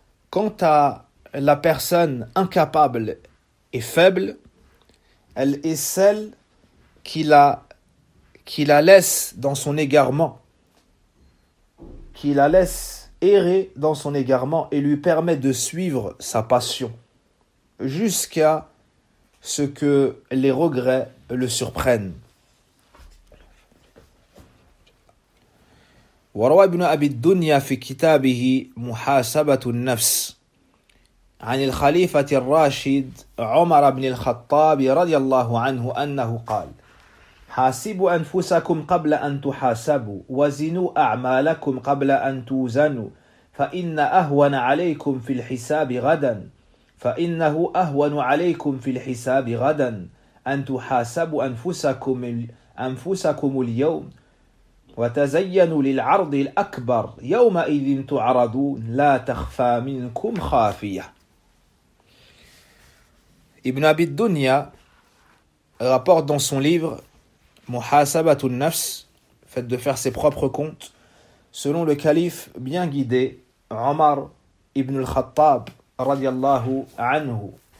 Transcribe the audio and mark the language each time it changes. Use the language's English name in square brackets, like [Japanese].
[French] Quant à la personne incapable et faible, elle est celle qui la laisse dans son égarement, qui la laisse errer dans son égarement et lui permet de suivre sa passion jusqu'à ce que les regrets le surprennent. [Arabic] وروى ابن أبي الدنيا في كتابه محاسبة النفس عن الخليفة الراشد عمر بن الخطاب رضي الله عنه أنه قال حاسبوا أنفسكم قبل أن تحاسبوا وزنوا أعمالكم قبل أن توزنوا فإن أهون عليكم في الحساب غدا فإنه أهون عليكم في الحساب غدا أن تحاسبوا أنفسكم اليوم وتزينوا للعرض الأكبر يومئذ تعرضون لا تخفى منكم خافية. [French] ابن أبي الدنيا rapporte dans son livre Muhasabatun Nafs, fait de faire ses propres comptes, selon le calife bien guidé, Omar ibn al-Khattab, radiallahu anhu.